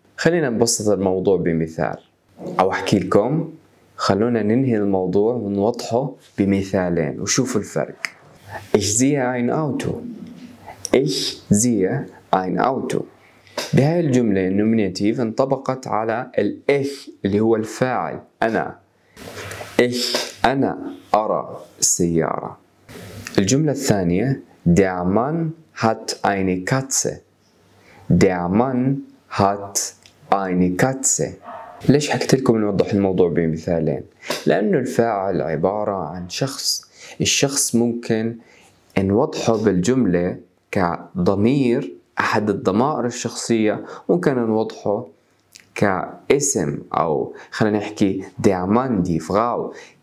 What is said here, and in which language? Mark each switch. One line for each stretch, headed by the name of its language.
Arabic: خلينا نبسط الموضوع بمثال، أو أحكي لكم، خلونا ننهي الموضوع ونوضحه بمثالين وشوفوا الفرق.
German: Ich sehe ein Auto. Ich sehe ein Auto.
Arabic: بهاي الجملة النومينيتيف انطبقت على ال Ich اللي هو الفاعل أنا. Ich أنا أرى السيارة. الجملة الثانية
German: Der Mann hat eine Katze. Der Mann hat eine Katze.
Arabic: ليش حكيت لكم نوضح الموضوع بمثالين؟ لأنه الفاعل عبارة عن شخص. الشخص ممكن نوضحه بالجملة كضمير أحد الضمائر الشخصية، ممكن نوضحه كاسم، أو خلينا نحكي ديامان دي فغاو.